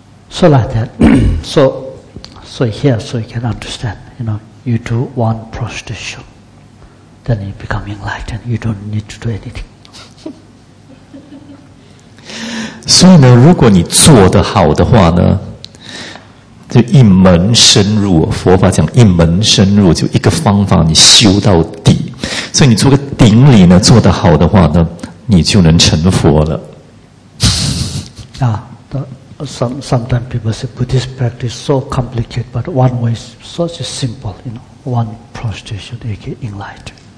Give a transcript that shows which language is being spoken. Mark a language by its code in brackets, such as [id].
[en] So like that, so you can understand, you know, you do one prostration, then you become enlightened, you don't need to do anything. [zh] 所以呢，如果你做得好的话呢，就一门深入，佛法讲一门深入，就一个方法你修到底。所以你做个顶礼呢，做得好的话呢，你就能成佛了。啊，对。 [en] Sometimes people say Buddhist practice so complicated, but one way is such a simple, you know, one prostration, aka enlightened.